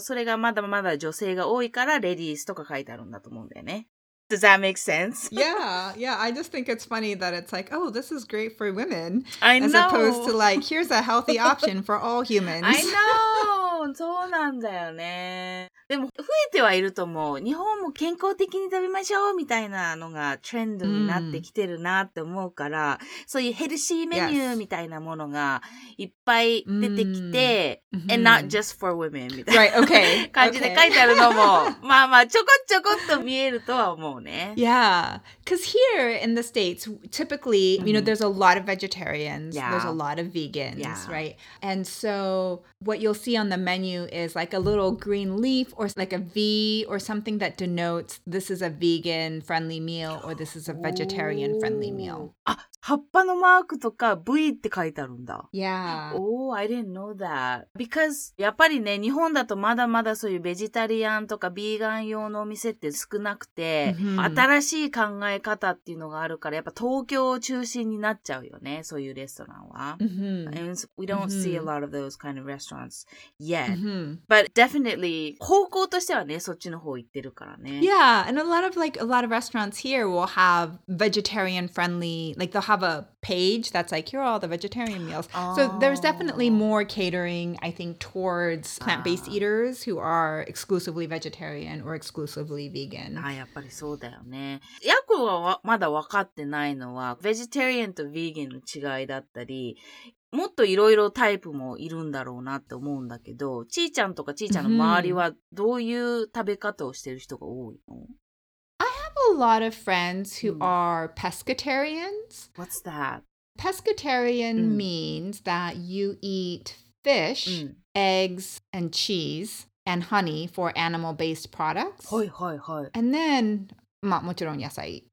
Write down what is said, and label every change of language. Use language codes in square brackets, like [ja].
[ja] それがまだまだ女性が多いからレディースとか書いてあるんだと思うんだよね。 [en] Does that make sense? yeah, I just think it's funny that it's like, oh, this is great for women. I know. As opposed to like, here's a healthy option for all humans. I know. [ja] そうなんだよね。でも増えてはいると思う。日本も健康的に食べましょうみたいなのがトレンドになってきてるなって思うから、mm. そういうヘルシーメニューみたいなものがいっぱい出てきて、mm. [en] and not just for women [ja] みたいな、 [en] right. okay. [ja] 感じで書いてあるのも、まあまあちょこちょこっと見えるとは思う。 [en] Yeah, because here in the States, typically, mm-hmm. you know, there's a lot of vegetarians, yeah. there's a lot of vegans, yeah. right? And so what you'll see on the menu is like a little green leaf or like a V or something that denotes this is a vegan friendly meal or this is a vegetarian friendly meal. [ja] Ah, 葉っぱのマークとか V って書いてあるんだ。 [en] Yeah. Oh, I didn't know that. Because [ja] やっぱりね、日本だとまだまだそういうベジタリアンとかビーガン用のお店って少なくて、Mm-hmm. 新しい考え方っていうのがあるから、やっぱ東京を中心になっちゃうよね、そういうレストランは。 Mm-hmm. [en] And we don't、mm-hmm. see a lot of those kind of restaurants yet.、 Mm-hmm. But definitely, [ja] 方向としてはね、そっちの方行ってるからね。 [en] Yeah, and a lot of restaurants here will have vegetarian friendly, like they'll have a page that's like, here are all the vegetarian meals.、 Oh. So there's definitely more catering, I think, towards plant-based、ah. eaters who are exclusively vegetarian or exclusively vegan. [ja] あ、やっぱりそうだよね。ヤコがまだ分かってないのは、ベジタリアンとヴィーガンの違いだったり、もっといろいろタイプもいるんだろうなって思うんだけど、ちーちゃんとかちーちゃんの周りはどういう食べ方をしてる人が多いの？ [en] I have a lot of friends who are pescatarians. What's that? Pescatarian means that you eat fish, eggs, and cheese. And honey for animal-based products. [ja] はいはいはい。 [en] And then, [ja] まあもちろん野菜。